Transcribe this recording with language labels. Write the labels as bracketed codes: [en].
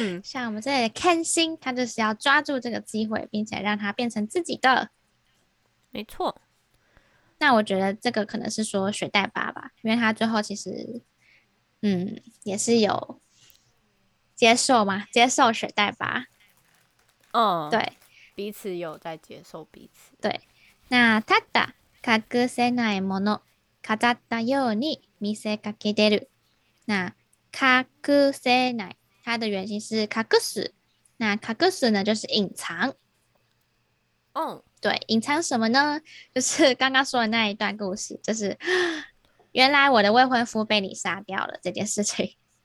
[zh] 像我们这里的 Ken 星，他就是要抓住这个机会，并且让它变成自己的，没错。那我觉得这个可能是说雪代爸吧，因为他最后其实也是有接受嘛，接受雪代爸，对，彼此有在接受彼此。 [ja] 对，那ただ隠せないもの飾ったように見せかけてる。 [zh] 那隠せない，它的原型是隠す，那隠す呢就是隐藏。对，隐藏什么呢？就是刚刚说的那一段故事，就是原来我的未婚夫被你杀掉了这件事情。